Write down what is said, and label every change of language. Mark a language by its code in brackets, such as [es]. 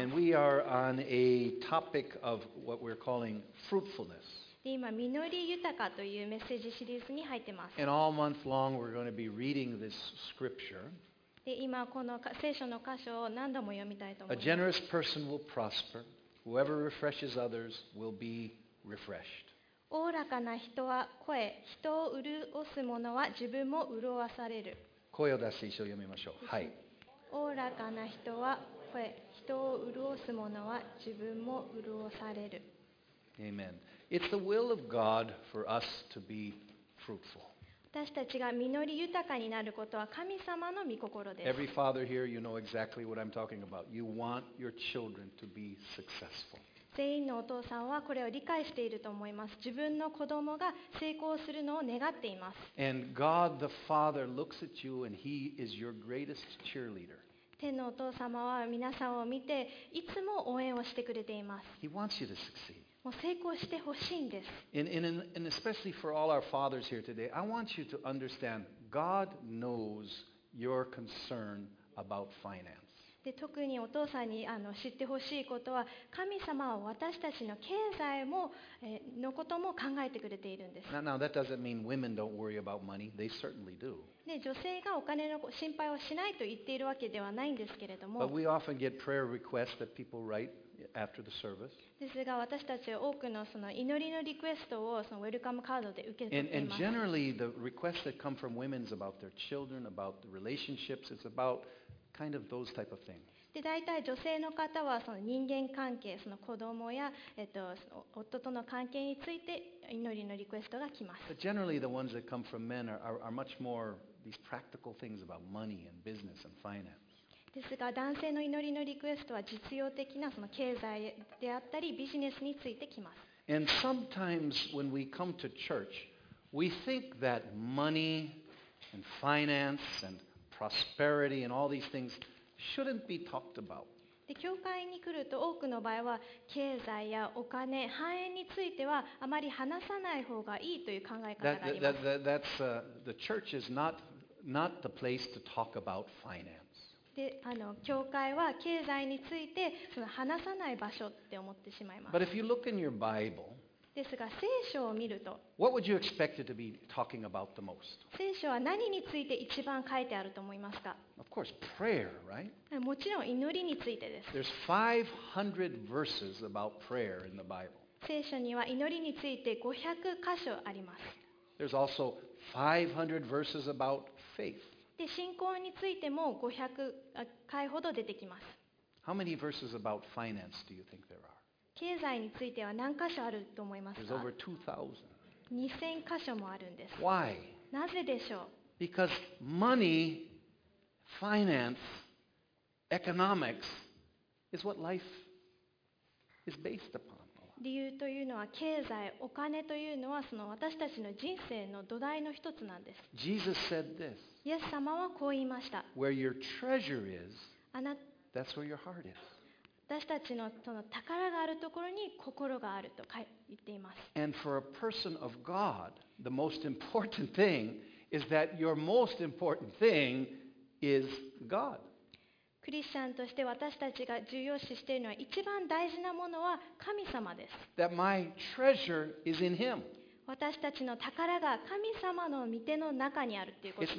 [en] And we are on a topic of what we're calling fruitfulness. [ja] で今実り豊かというメッセージシリーズに入ってます。 [en] And all month long, we're going to be reading this scripture. [ja] で今この聖書の箇所を何度も読みたいと思います。 [en] A generous person will prosper. Whoever refreshes others will be refreshed. [ja] おおらかな人は肥え、人を潤す者は自分も潤わされる。声を出して一緒に読みましょう。はい。おおらかな人は肥え、人を潤す者は自分も潤わされる。 [en] Amen. It's the will of God for us to be fruitful. [ja] 私たちが実り豊かになることは神様の御心です。 [en] Every father here, you know exactly what I'm talking about. You want your children to be successful. [ja] 全員のお父さんはこれを理解していると思います。自分の子供が成功するのを願っています。 [en] And God the Father looks at you and He is your greatest cheerleader. [ja] 天のお父様は皆さんを見ていつも応援をしてくれています。 [en] He wants you to succeed. [ja] もう成功してほしいんです。 [en] And especially for all our fathers here today, I want you to understand God knows your concern about finance. [ja] で特にお父さんに知ってほしいことは神様は私たちの経済も、のことも考えてくれているんです。 [en] Now, that doesn't mean women don't worry about money. They certainly do. [ja] で女性がお金の心配をしないと言っているわけではないんですけれども。 [en] But we often get prayer requests that people write after the service. [ja] ですが私たちは多くの その祈りのリクエストをそのウェルカムカードで受け取っています。 [en] And generally the requests that come from women is about their children, about the relationships, it's aboutKind of those type of thing. [ja] で大体女性の方はその人間関係、その子供や、夫との関係について祈りのリクエストが来ます。 [en] But generally the ones that come from men are much more these practical things about money and business and finance. [ja] ですが男性の祈りのリクエストは実用的なその経済であったりビジネスについて来ます。 [en] And sometimes when we come to church, we think that money and finance andprosperity and all these things shouldn't be talked about. [ja] で、教会に来ると多くの場合は経済やお金、繁栄についてはあまり話さない方がいいという考え方があります。 [en] That's the church is not the place to talk about finance. [ja] で、教会は経済についてその話さない場所って思ってしまいます。 [en] But if you look in your Bible, [ja] ですが聖書を見ると [en] What would you expect it to be talking about the most? [ja] 聖書は何について一番書いてあると思いますか? [en] Of course, prayer, right? [ja] もちろん祈りについてです。 [en] There's 500 verses about prayer in the Bible. [ja] 聖書には祈りについて500箇所あります。 [en] There's also 500 verses about faith. [ja] で、信仰についても500回ほど出てきます。 [en] How many verses about finance do you think there are? [ja] 経済については何箇所あると思いますか [en] ？There's over 2,000. [ja] 2,000 箇所もあるんです。 [en] Why? [ja] なぜでしょう [en] ？Because money, finance, economics is what life is based upon. [ja] 理由というのは経済、お金というのはその私たちの人生の土台の一つなんです。 [en] Jesus said this. [ja] イエス様はこう言いました。 [en] Where your treasure is, that's where your heart is. [ja] 私たち その宝があるところに心があると言っています。 [en] And for a person of God, the most important thing is that your most important thing is God. [ja] クリスチャンとして私たちが重要視しているのは一番大事なものは神様です。 [en] That my treasure is in Him. [ja] 私たちの宝が神様の御手の中にあるということです。